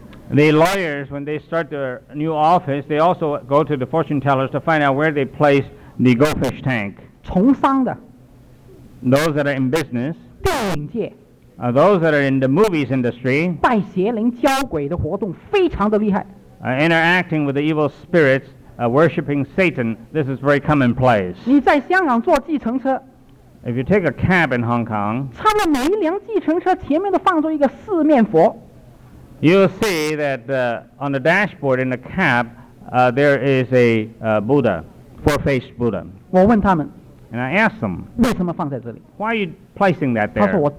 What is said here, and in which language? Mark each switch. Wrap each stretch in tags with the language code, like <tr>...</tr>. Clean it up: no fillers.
<en>The lawyers, when they start their new office, they also go to the fortune tellers to find out where they place the goldfish tank.</en> <zh>从商的,</zh> <en>those that are in business,</en> <zh>电影界,</zh> <en>those that are in the movies industry,</en> <zh>拜邪灵交鬼的活动非常的厉害,</zh> <en>interacting with the evil spirits, worshipping Satan, this is very commonplace.</en> <zh>你在香港坐计程车,</zh> <en>if you take a cab in Hong Kong,</en> <zh>差不多每一辆计程车前面都放着一个四面佛,</zh> <en>you'll see that on the dashboard in the cab, there is a Buddha, four-faced Buddha.</en> <zh>我问他们,</zh> <en>and I asked them,</en> <zh>为什么放在这里?</zh> <en>Why are you placing that there?</en>